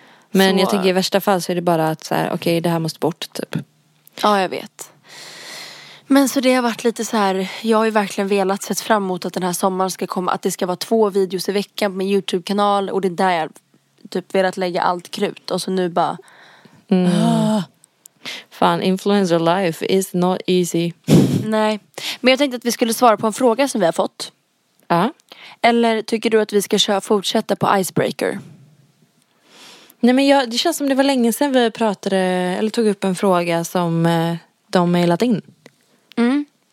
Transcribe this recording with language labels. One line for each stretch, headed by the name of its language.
Swedish: Men så... jag tänker i värsta fall så är det bara att så här, okej, det här måste bort typ. Ja, jag vet. Men så det har varit lite så här, jag har ju verkligen velat sett fram emot att den här sommaren ska komma, att det ska vara två videos i veckan på min YouTube-kanal, och det är där jag typ velat lägga allt krut, och så nu bara... Mm. Fan,
English: influencer life is not easy.
Swedish: Nej. Men jag tänkte att vi skulle svara på en fråga som vi har fått. Ja. Eller tycker du att vi ska fortsätta på Icebreaker? Nej, men det känns som det var länge sedan vi pratade eller tog upp en fråga som de mailat in. Mm.